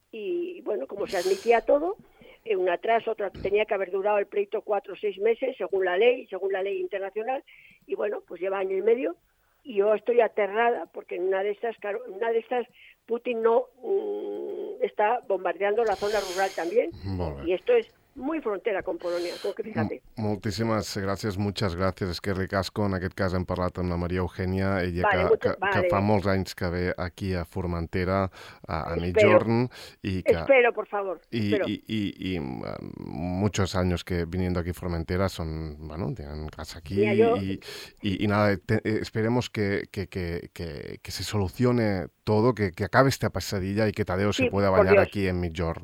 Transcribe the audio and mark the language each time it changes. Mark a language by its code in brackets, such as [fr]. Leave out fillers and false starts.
[es] Y bueno, como se admitía todo, un atraso, otro, tenía que haber durado el pleito 4 o 6 meses, según la ley internacional, y bueno, pues lleva año y medio, y yo estoy aterrada, porque en una de estas, claro, en una de estas, Putin no está bombardeando la zona rural también, vale. Y esto es muy frontera con Polonia, como que fíjate. [ca] Moltíssimes gràcies, [es] muchas gracias, es que ricasco. [ca] En aquest cas hem parlat amb la Maria Eugènia, ella que fa molts anys que ve aquí a Formentera a mitjorn. [es] Espero, por favor, espero. I muchos años que viniendo aquí a Formentera son, bueno, tienen casa aquí. I nada, esperemos que se solucione todo, que acabe esta pesadilla y que Tadeo, sí, se pueda bañar aquí en mitjorn.